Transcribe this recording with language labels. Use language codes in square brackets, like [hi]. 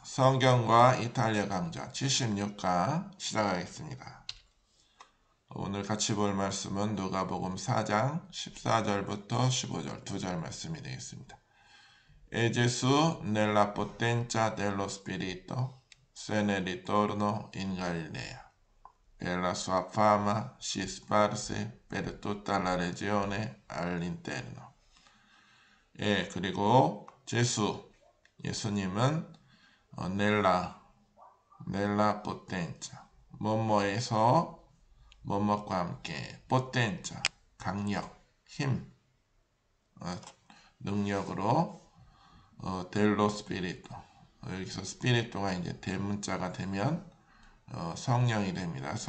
[ko] 성경과 이탈리아 강좌 76과 시작하겠습니다. 오늘 같이 볼 말씀은 누가복음 4장 14절부터 15절 두절 말씀이 되겠습니다. [it] 예수 nella potenza dello spirito se ne ritornò in Galilea e la sua fama si sparse per tutta la regione all'interno. [ko] 예, 그리고 예수님은 [it] nella potenza, [ko] 뭐뭐에서 뭐뭐과 함께 potenza, 강력, 힘, 능력으로 [it] dello spirito, [ko] 여기서 spirito가 이제 대문자가 되면 성령이 됩니다.